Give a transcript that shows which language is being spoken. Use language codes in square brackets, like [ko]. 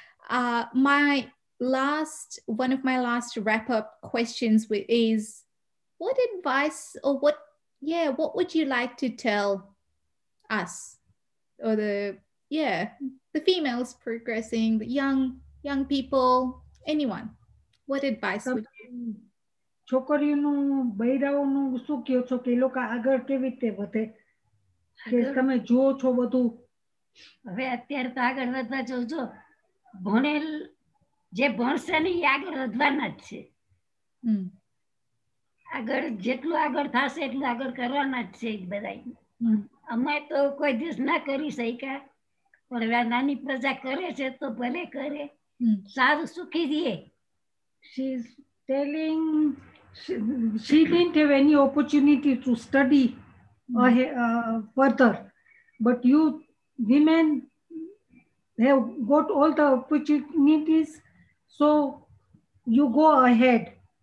[en] One of my last wrap-up questions is, what advice or what would you like to tell us or the females progressing, the young people, anyone? What advice would you? [gu] છોકરીઓનું બૈરાઓનું શું કહો છો કે એ લોકો આગળ કેવી રીતે વધે, કે તમે જુઓ છો બધું? હવે અત્યારે તો આગળ વધવા જોજો, ભણેલ જે ભણશે ને એ આગળ વધવાના જ છે. આગળ જેટલું આગળ થશે એટલું આગળ કરવાના જ છે બધા. અમે તો કોઈ દિવસ ના કરી શક્યા, પણ હવે નાની પ્રજા કરે છે તો ભલે કરે, સારું સુખી જઈએ. [en] She is telling, she didn't have any opportunity to study further, but you women have got all the opportunities, so you go ahead.